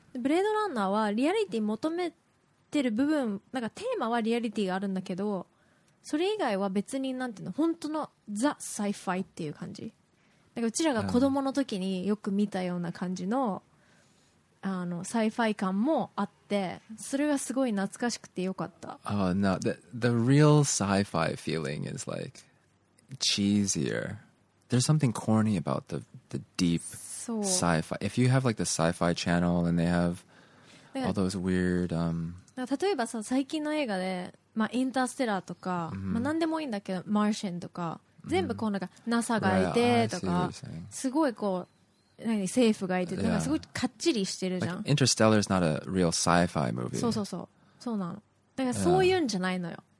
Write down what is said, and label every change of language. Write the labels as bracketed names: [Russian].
[Japanese] でブレードランナーはリアリティ求めてる部分なんかテーマはリアリティがあるんだけどそれ以外は別になんていうの本当のザ・サイファイっていう感じなんかうちらが子供の時によく見たような感じのあのサイファイ感もあってそれがすごい懐かしくてよかった [English] Oh no the real sci-fi feeling is like cheesier There's something corny about the deep sci-fi If you have like the sci-fi channel and they have all those weird [Japanese] 例えばさ最近の映画で、まあ、インターステラーとか、mm-hmm. まあ何でもいいんだけどマーシェンとか全部こうなんか NASA がいてとか、 [English] right. [Japanese] すごいこう何政府がいて、 [English] yeah. [Japanese] なんかすごいかっちりしてるじゃん。 [English] Like, Interstellar is not a real sci-fi movie. [Japanese] そうそうそう。そうなの。だからそういうんじゃないのよ。